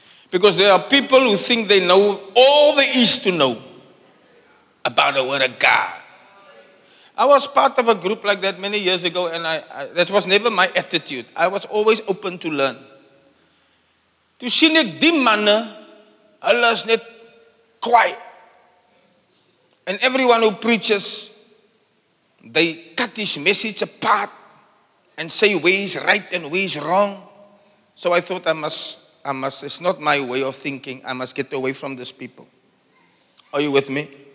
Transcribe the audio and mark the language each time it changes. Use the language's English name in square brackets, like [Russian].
[English] Because there are people who think they know all there is to know about the word of God. I was part of a group like that many years ago, and I that was never my attitude. I was always open to learn. [Afrikaans] To sien ek die manne, hulle is net kwaai. [English] And everyone who preaches, they cut his message apart and say where he's right and where he's wrong. So I thought I must, it's not my way of thinking. I must get away from these people. Are you with me?